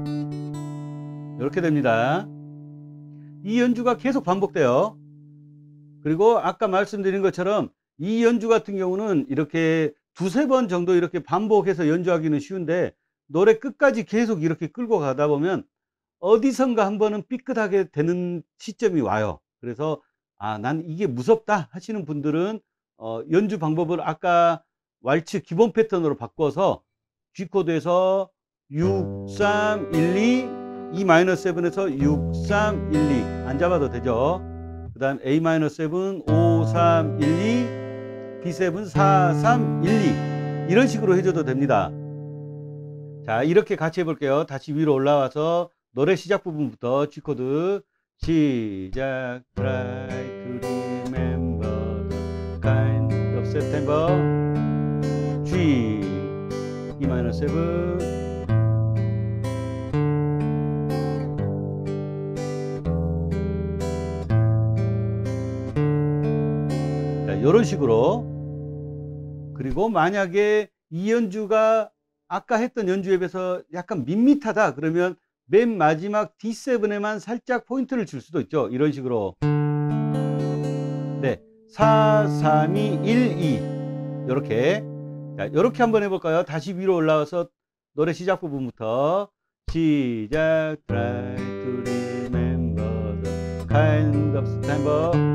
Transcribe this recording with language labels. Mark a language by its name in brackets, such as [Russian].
[English] Try to remember. [Korean] 이렇게 됩니다. 이 연주가 계속 반복돼요. 그리고 아까 말씀드린 것처럼 이 연주 같은 경우는 이렇게 두세 번 정도 이렇게 반복해서 연주하기는 쉬운데 노래 끝까지 계속 이렇게 끌고 가다 보면 어디선가 한 번은 삐끗하게 되는 시점이 와요. 그래서 아, 난 이게 무섭다 하시는 분들은 연주 방법을 아까 왈츠 기본 패턴으로 바꿔서 G 코드에서 6, 3, 1, 2 E-7에서 6, 3, 1, 2. 안 잡아도 되죠. 그 다음 A-7, 5, 3, 1, 2. D7, 4, 3, 1, 2. 이런 식으로 해줘도 됩니다. 자, 이렇게 같이 해볼게요. 다시 위로 올라와서 노래 시작 부분부터 G 코드. 시작. [English] Try to remember the kind of September. G. E-7. [Korean] 이런 식으로. 그리고 만약에 이 연주가 아까 했던 연주에 비해서 약간 밋밋하다 그러면 맨 마지막 D7에만 살짝 포인트를 줄 수도 있죠. 이런 식으로. 네. 4, 3, 2, 1, 2. 요렇게. 자, 요렇게 한번 해볼까요? 다시 위로 올라와서 노래 시작 부분부터. 시작. [English] Try to remember the kind of September.